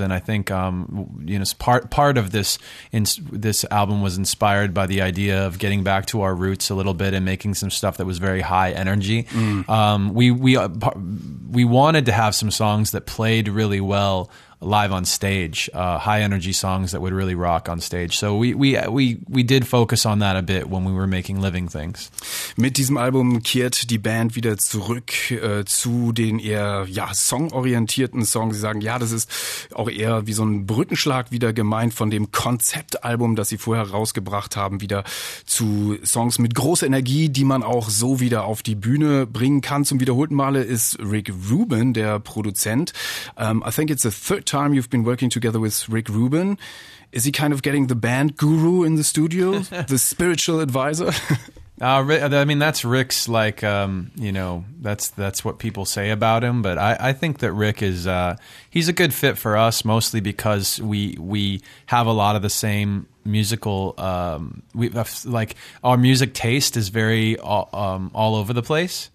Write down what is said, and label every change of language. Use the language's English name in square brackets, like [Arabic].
[English] And I think, part of this album was inspired by the idea of getting back to our roots a little bit and making some stuff that was very high energy. Mm. We wanted to have some songs that played really well live on stage, high energy songs that would really rock on stage. So we did focus on that a bit when we were making Living Things. [German] Mit diesem Album kehrt die Band wieder zurück zu den eher songorientierten Songs. Sie sagen, ja, das ist auch eher wie so ein Brückenschlag wieder gemeint von dem Konzeptalbum, das sie vorher rausgebracht haben, wieder zu Songs mit großer Energie, die man auch so wieder auf die Bühne bringen kann. Zum wiederholten Male ist Rick Rubin der Produzent. [English] I think it's the third time you've been working together with Rick Rubin. Is he kind of getting the band guru in the studio, the spiritual advisor? I mean, that's Rick's, like, you know, that's what people say about him. But I think that Rick is, he's a good fit for us, mostly because we have a lot of the same musical, our music taste is very all over the place.